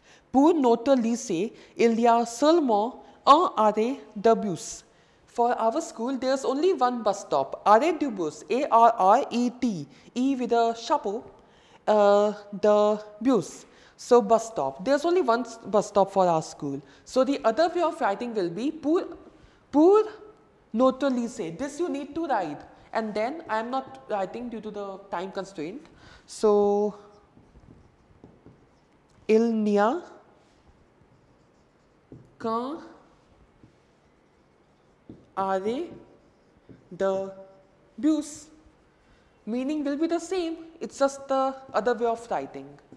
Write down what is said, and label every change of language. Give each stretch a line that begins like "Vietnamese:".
French: Pour notre lycée, il y a seulement un arrêt de bus.
English: For our school, there's only one bus stop. Arrêt de bus, A-R-R-E-T, E with a chapeau. The bus. So bus stop. There's only one bus stop for our school. So the other way of writing will be
French: pur notre lycée.
English: This you need to write. And then I'm not writing due to the time constraint.
French: So il n'y a qu'un arrêt de bus.
English: Meaning will be the same. It's just the other way of writing.